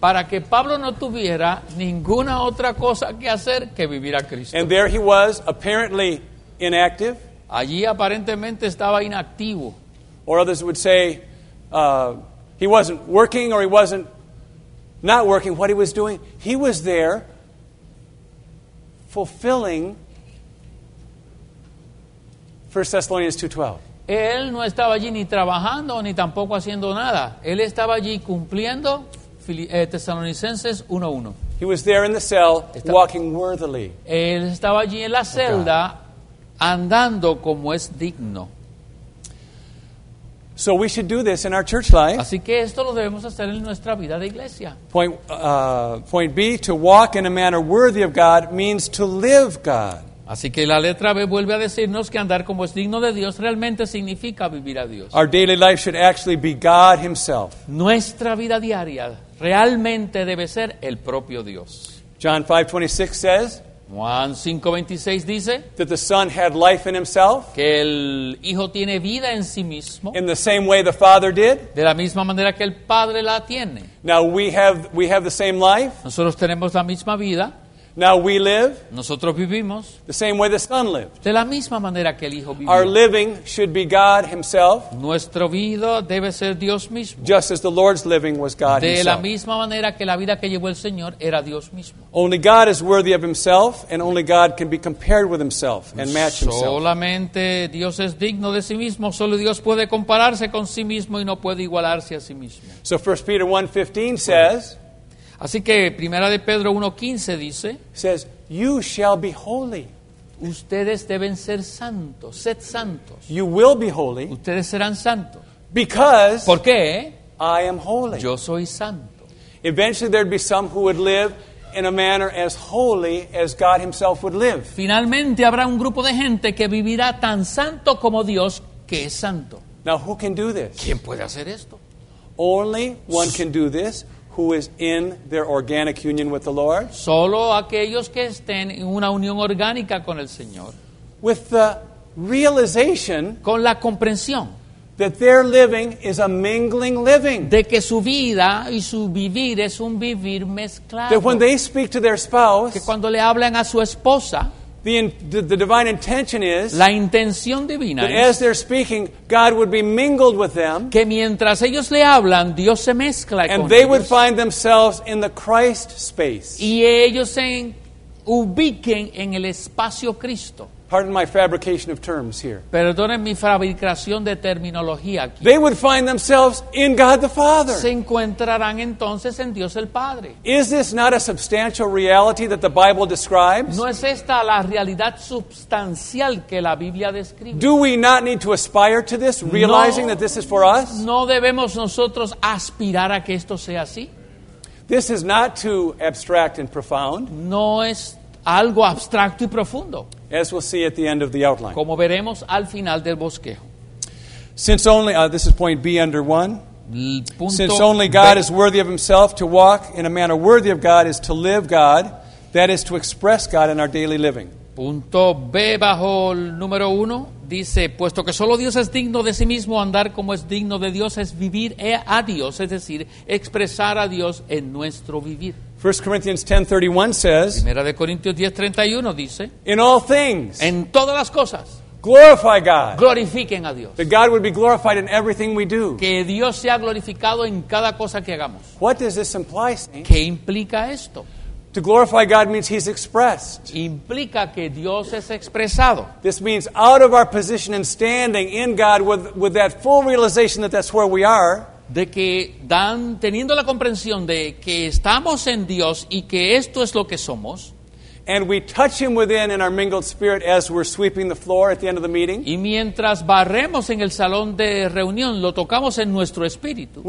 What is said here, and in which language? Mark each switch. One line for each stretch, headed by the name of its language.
Spanish: Para que Pablo no tuviera ninguna otra cosa que hacer que vivir a Cristo.
English: And there he was, apparently inactive.
Spanish: Allí aparentemente estaba inactivo.
English: Or others would say he wasn't working or he wasn't not working. What he was doing, he was there fulfilling 1 Thessalonians 2:12.
Spanish: Él no estaba allí ni trabajando ni tampoco haciendo nada. Él estaba allí cumpliendo Tesalonicenses 1:1.
English: He was there in the cell walking worthily.
Spanish: Él estaba allí en la celda andando como es digno.
English: So we should do this in our church life.
Spanish: Así que esto lo debemos hacer en nuestra vida de iglesia.
English: Point B, to walk in a manner worthy of God means to live God.
Spanish: Así que la letra B vuelve a decirnos que andar como es digno de Dios realmente significa vivir a Dios.
English: Our daily life should actually be God himself.
Spanish: Nuestra vida diaria realmente debe ser el propio Dios.
English: John 5:26 says,
Spanish: Juan 5:26 dice,
English: that the Son had life in himself,
Spanish: que el Hijo tiene vida en sí mismo,
English: in the same way the Father did,
Spanish: de la misma manera que el Padre la tiene.
English: Now we have the same life.
Spanish: Nosotros tenemos la misma vida.
English: Now we live.
Spanish: Nosotros vivimos.
English: The same way the Son lived.
Spanish: De la misma manera que el Hijo vivió.
English: Our living should be God himself.
Spanish: Nuestro vida debe ser Dios mismo.
English: Just as the Lord's living was God
Spanish: de
English: himself.
Spanish: De la misma manera que la vida que llevó el Señor era Dios mismo.
English: Only God is worthy of himself and only God can be compared with himself and match himself.
Spanish: Solamente Dios es digno de sí mismo. Solo Dios puede compararse con sí mismo y no puede igualarse a sí mismo.
English: So 1 Peter 1:15 says,
Spanish: así que Primera de Pedro 1:15 dice,
English: says, you shall be holy.
Spanish: Ustedes deben ser santos. Sed santos.
English: You will be holy.
Spanish: Ustedes serán santos.
English: Because
Spanish: ¿por qué?
English: I am holy.
Spanish: Yo soy santo.
English: Eventually there'd be some who would live in a manner as holy as God himself would live.
Spanish: Finalmente habrá un grupo de gente que vivirá tan santo como Dios que es santo.
English: Now who can do this?
Spanish: ¿Quién puede hacer esto?
English: Only one can do this. Who is in their organic union with the Lord?
Spanish: Solo aquellos que estén en una unión orgánica con el Señor.
English: With the realization,
Spanish: con la comprensión,
English: that their living is a mingling living.
Spanish: De que su vida y su vivir es un vivir mezclado.
English: That when they speak to their spouse,
Spanish: que cuando le hablan a su esposa,
English: the divine intention is,
Spanish: la intención divina
English: that as they're speaking, God would be mingled with them,
Spanish: que mientras ellos le hablan, Dios se mezcla con ellos,
English: and they would find themselves in the Christ space,
Spanish: y ellos se ubiquen en el espacio Cristo.
English: Pardon my fabrication of terms here.
Spanish: Perdonen mi fabricación de terminología aquí.
English: They would find themselves in God the Father.
Spanish: Se encontrarán entonces en Dios el Padre.
English: Is this not a substantial reality that the Bible describes?
Spanish: ¿No es esta la realidad sustancial que la Biblia describe?
English: Do we not need to aspire to this, realizing that this is for us?
Spanish: ¿No debemos nosotros aspirar a que esto sea así?
English: This is not too abstract and profound.
Spanish: No es algo abstracto y profundo.
English: As we'll see at the end of the outline.
Spanish: Como veremos al final del bosquejo.
English: Since only this is point B under one.
Spanish: Punto
English: Since only God
Spanish: B.
English: is worthy of himself to walk in a manner worthy of God is to live God, that is to express God in our daily living.
Spanish: Punto B bajo el número uno dice, puesto que solo Dios es digno de sí mismo, andar como es digno de Dios es vivir a Dios, es decir, expresar a Dios en nuestro vivir.
English: 1 Corinthians 10:31 says,
Spanish: Primera de Corintios 10:31 dice,
English: In all things,
Spanish: en todas las cosas,
English: glorify God.
Spanish: Glorifiquen a Dios.
English: That God would be glorified in everything we do.
Spanish: Que Dios sea glorificado en cada cosa que hagamos.
English: What does this imply, Saint?
Spanish: ¿Qué implica esto?
English: To glorify God means he's expressed.
Spanish: Implica que Dios es expresado.
English: This means out of our position and standing in God with that full realization that that's where we are.
Spanish: De que dan teniendo la comprensión de que estamos en Dios y que esto es lo que somos.
English: And we touch him within in our mingled spirit as we're sweeping the floor at the end of the meeting.
Spanish: Y mientras barremos en el salón de reunión, lo tocamos en nuestro espíritu.